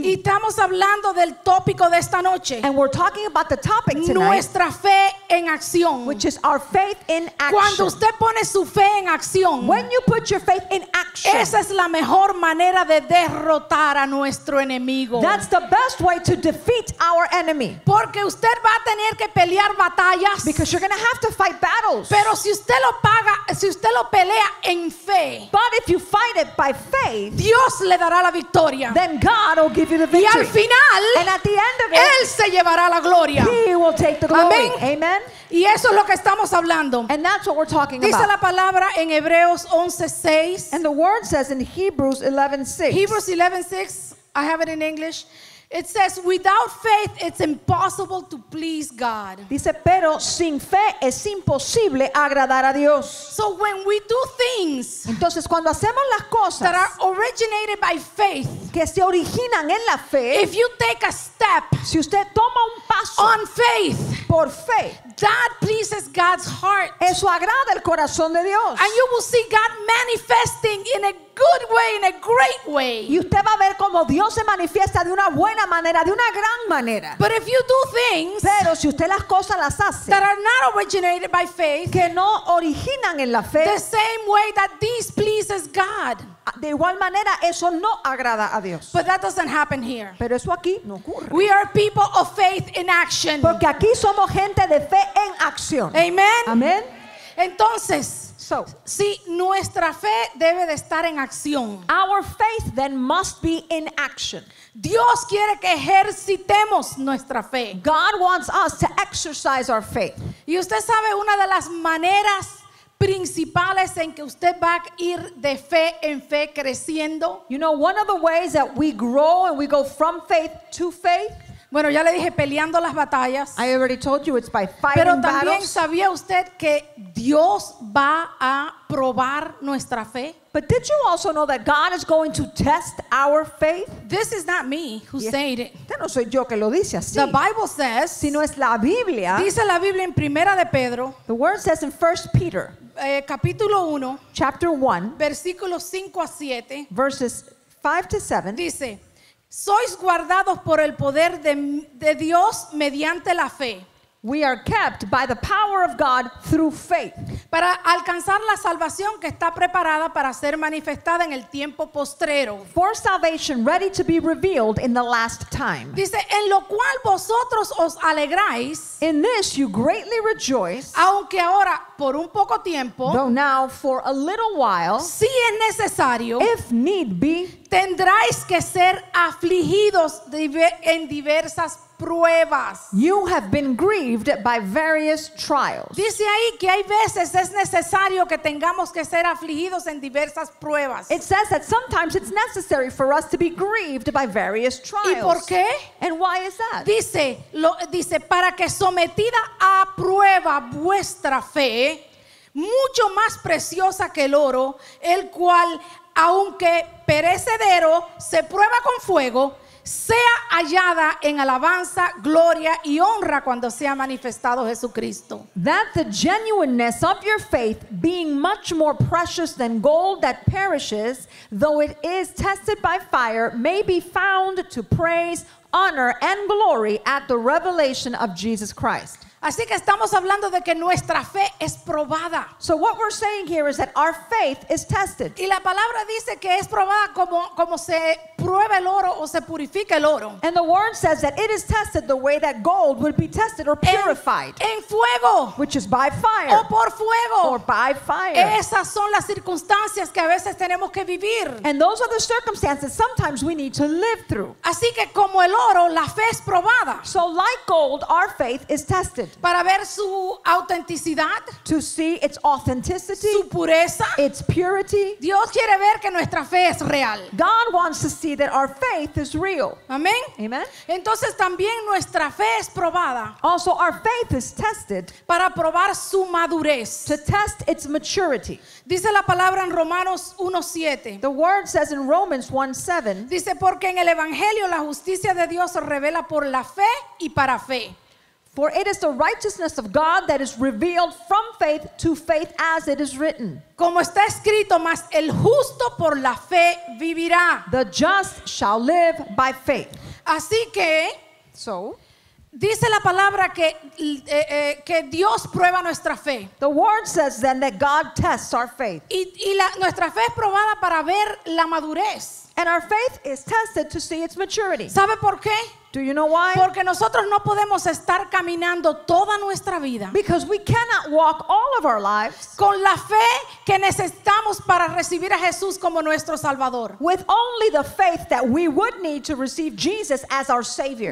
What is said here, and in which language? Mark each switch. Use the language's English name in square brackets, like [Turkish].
[Spanish] Y estamos hablando del tópico de esta noche. [English] And we're talking about the topic tonight. [Spanish] Nuestra fe en acción. [English] Which is our faith in action. [Spanish] Cuando usted pone su fe en acción. [English] When you put your faith in action. [Spanish] Esa es la mejor manera de derrotar a nuestro enemigo. [English] That's the best way to defeat our enemy. [Spanish] Porque usted va a tener que pelear batallas. [English] Because you're going to have to fight battles. [Spanish] Pero si usted lo paga, si usted lo pelea en fe. [English] But if you fight it by faith. [Spanish] Dios le dará la victoria. [English] Then God will give you the victory. [Spanish] Y al final. [English] And at the end of it. [Spanish] Él se llevará la gloria. [English] He will take the glory. [Spanish] Amén. [English] Amen. [Spanish] Y eso es lo que estamos hablando. [English] And that's what we're talking [Spanish] Dice [English] about. [Spanish] Dice la palabra en Hebreos 11:6. [English] And the word says in Hebrews 11:6. Hebrews 11:6. I have it in English. It says, without faith, it's impossible to please God. [Spanish] Dice, pero sin fe es imposible agradar a Dios. [English] So when we do things, [Spanish] entonces cuando hacemos las cosas [English] that are originated by faith, [Spanish] que se originan en la fe, [English] if you take a step, [Spanish] si usted toma un paso [English] on faith, [Spanish] por fe, [English] that pleases God's heart. [Spanish] Eso agrada el corazón de Dios. [English] And you will see God manifesting in a good way, in a great way. [Spanish] Y usted va a ver cómo Dios se manifiesta de una buena manera, de una gran manera. [English] But if you do things, [Spanish] pero si usted las cosas las hace, [English] that are not originated by faith, [Spanish] que no originan en la fe, [English] the same way that this pleases God. [Spanish] De igual manera, eso no agrada a Dios. [English] But that doesn't happen here. [Spanish] Pero eso aquí no ocurre. [English] We are people of faith in action. [Spanish] Porque aquí somos gente de fe en acción. [English] Amen. Amen. [Spanish] Entonces, [English] so, [Spanish] si nuestra fe debe de estar en acción, [English] our faith then must be in action. [Spanish] Dios quiere que ejercitemos nuestra fe. [English] God wants us to exercise our faith. [Spanish] Y usted sabe una de las maneras principales en que usted va a ir de fe en fe creciendo. [English] You know, one of the ways that we grow and we go from faith to faith. [Spanish] Bueno, ya le dije peleando las batallas. [English] I already told you it's by fighting battles. [Spanish] Pero también [English] battles. [Spanish] ¿Sabía usted que Dios va a probar nuestra fe? [English] But did you also know that God is going to test our faith? This is not me who yeah. said it. [Spanish] No soy yo que lo dice así. [English] The Bible says, [Spanish] sino es la Biblia. Dice la Biblia en Primera de Pedro. [English] The word says in 1 Peter, [Spanish] capítulo 1, [English] chapter 1, [Spanish] versículos 5 a 7. [English] Verses 5 to 7. [Spanish] Dice, sois guardados por el poder de Dios mediante la fe. [English] We are kept by the power of God through faith. [Spanish] Para alcanzar la salvación que está preparada para ser manifestada en el tiempo postrero. [English] For salvation ready to be revealed in the last time. [Spanish] Dice, en lo cual vosotros os alegráis. [English] In this you greatly rejoice. [Spanish] Aunque ahora por un poco tiempo. [English] Though now for a little while. [Spanish] Si es necesario. [English] If need be. [Spanish] Tendréis que ser afligidos en diversas pruebas. [English] You have been grieved by various trials. [Spanish] Dice ahí que hay veces es necesario que tengamos que ser afligidos en diversas pruebas. [English] It says that sometimes it's necessary for us to be grieved by various trials. [Spanish] ¿Y por qué? [English] And why is that? [Spanish] Dice para que sometida a prueba vuestra fe, mucho más preciosa que el oro, el cual aunque perecedero se prueba con fuego, sea hallada en alabanza, gloria y honra cuando sea manifestado Jesucristo. [English] That the genuineness of your faith, being much more precious than gold that perishes, though it is tested by fire, may be found to praise, honor and glory at the revelation of Jesus Christ. [Spanish] Así que estamos hablando de que nuestra fe es probada. [English] So what we're saying here is that our faith is tested. [Spanish] Y la palabra dice que es probada como se prueba el oro o se purifica el oro. [English] And the word says that it is tested the way that gold would be tested or purified. [Spanish] En fuego. [English] Which is by fire. [Spanish] O por fuego. [English] Or by fire. [Spanish] Esas son las circunstancias que a veces tenemos que vivir. [English] And those are the circumstances sometimes we need to live through. [Spanish] Así que como el oro, la fe es probada. [English] So like gold, our faith is tested. [Spanish] Para ver su autenticidad, [English] to see its authenticity, [Spanish] su pureza, [English] its purity. [Spanish] Dios quiere ver que nuestra fe es real. [English] God wants to see that our faith is real. [Spanish] Amén. [English] Amen. [Spanish] Entonces también nuestra fe es probada. [English] Also our faith is tested. [Spanish] Para probar su madurez, [English] to test its maturity. [Spanish] Dice la palabra en Romanos 1:7. [English] The word says in Romans 1:7. [Spanish] Dice, porque en el evangelio la justicia de Dios se revela por la fe y para fe. [English] For it is the righteousness of God that is revealed from faith to faith as it is written. [Spanish] Como está escrito, mas el justo por la fe vivirá. [English] The just shall live by faith. [Spanish] Así que, [English] so, [Spanish] dice la palabra que, que Dios prueba nuestra fe. [English] The word says then that God tests our faith. [Spanish] Y la, nuestra fe es probada para ver la madurez. [English] And our faith is tested to see its maturity. [Spanish] ¿Sabe por qué? [English] Do you know why? [Spanish] Porque nosotros no podemos estar caminando toda nuestra vida. [English] Because we cannot walk all of our lives. [Spanish] Con la fe que necesitamos para recibir a Jesús como nuestro Salvador. [English] With only the faith that we would need to receive Jesus as our Savior.